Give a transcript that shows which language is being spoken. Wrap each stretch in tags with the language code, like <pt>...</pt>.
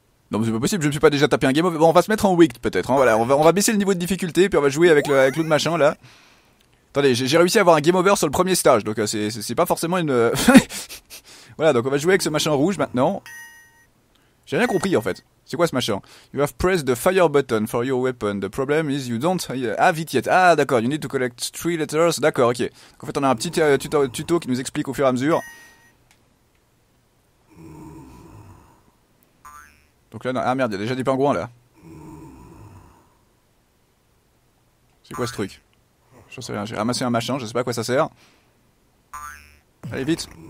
<fr>Non, mais c'est pas possible, je me suis pas déjà tapé un game over. Bon, on va se mettre en weak peut-être. Hein. Voilà, on va baisser le niveau de difficulté, puis on va jouer avec l'autre machin là. Attendez, j'ai réussi à avoir un game over sur le premier stage, donc c'est pas forcément une. Voilà, donc on va jouer avec ce machin rouge maintenant. J'ai rien compris en fait. C'est quoi ce machin?</fr> <en>You have pressed the fire button for your weapon. The problem is you don't have it yet.</en> <fr>Ah d'accord,</fr> <en>you need to collect 3 letters.</en> <fr>D'accord, ok. Donc, en fait, on a un petit tuto qui nous explique au fur et à mesure. Donc là, non. Ah merde, il y a déjà des pingouins là. C'est quoi ce truc? J'en sais rien, j'ai ramassé un machin, je sais pas à quoi ça sert. Allez, vite!</fr>